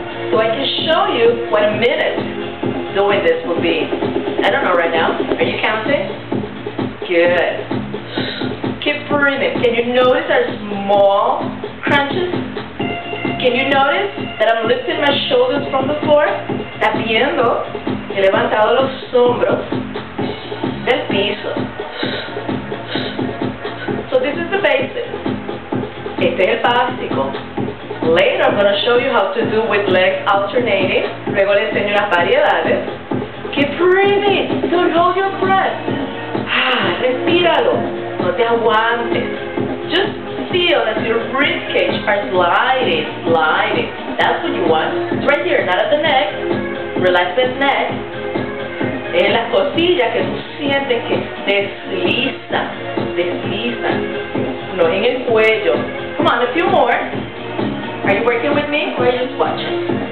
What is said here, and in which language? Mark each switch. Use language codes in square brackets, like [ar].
[en] So I can show you what a minute doing this will be. I don't know right now. Are you counting? Good. Keep breathing. Can you notice our small crunches? Can you notice that I'm lifting my shoulders from the floor? [es] Está viendo que he levantado los hombros del piso. [en] So this is the basic. [es] Este es el básico. [en] Later I'm going to show you how to do with legs alternating. [es] Luego le enseño las variedades. [en] Keep breathing. Don't hold your breath. [es] Respíralo. No te aguantes. [en] Just feel that your rib cage are sliding, sliding. That's what you want. It's right here, not at the neck. Relax the neck. [es] Es la costilla que tú sientes que desliza, desliza. No en el cuello. [en] Come on, a few more. Are you working with me or are you just watching?